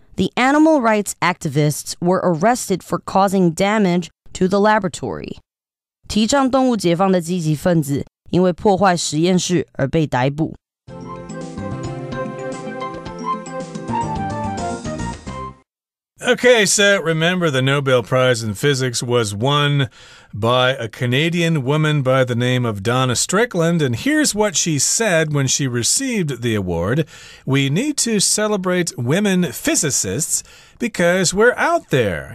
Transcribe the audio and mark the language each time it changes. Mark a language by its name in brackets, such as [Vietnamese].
[English] The animal rights activists were arrested for causing damage to the laboratory. [Chinese] 提倡动物解放的积极分子因为破坏实验室而被逮捕。Okay, [English] so remember the Nobel Prize in Physics was won by a Canadian woman by the name of Donna Strickland, and here's what she said when she received the award. We need to celebrate women physicists because we're out there.